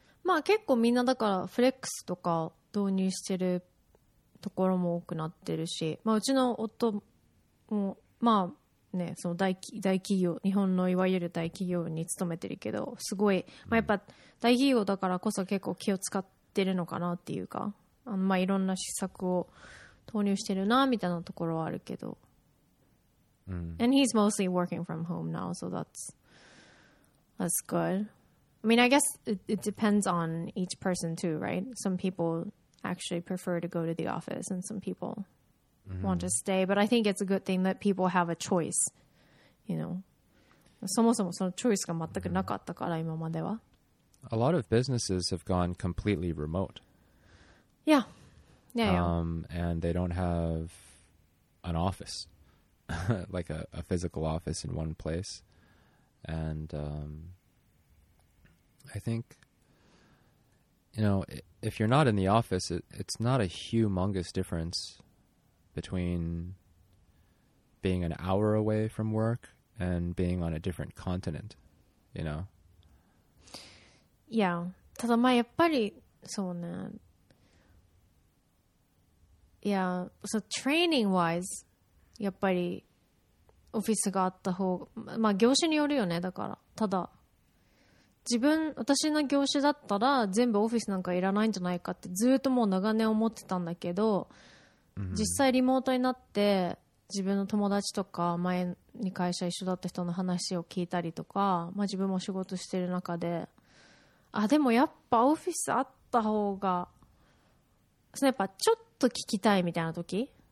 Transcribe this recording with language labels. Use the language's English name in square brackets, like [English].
[Japanese] まあ結構みんなだからフレックスとか導入してるところも多くなってるし、まあうちの夫も、まあね、その大企業、日本のいわゆる大企業に勤めてるけど、すごい、まあやっぱ大企業だからこそ結構気を使ってるのかなっていうか、あのまあいろんな施策を投入してるなみたいなところはあるけど、 [English] And he's mostly working from home now, so that's good. I mean, I guess it depends on each person too, right? Some people actually prefer to go to the office and some people want to stay. But I think it's a good thing that people have a choice, you know. [Japanese] そもそもそのチョイスが全くなかったから、今までは。 [English] A lot of businesses have gone completely remote. Yeah. Yeah, yeah. And they don't have an office, like a physical office in one place. And I think, you know, if you're not in the office, it's not a humongous difference between being an hour away from work and being on a different continent, you know? Yeah. [Japanese] ただまあやっぱりそうね。 [English] Yeah. So training wise, [Japanese] やっぱりオフィスがあった方が、まあ業種によるよね、だから。ただ、自分、私の業種だったら全部オフィスなんかいらないんじゃないかってずっともう長年思ってたんだけど、実際リモートになって、自分の友達とか前に会社一緒だった人の話を聞いたりとか、まあ、自分も仕事してる中で、あ、でもやっぱオフィスあった方が、そのやっぱちょっと聞きたいみたいな時、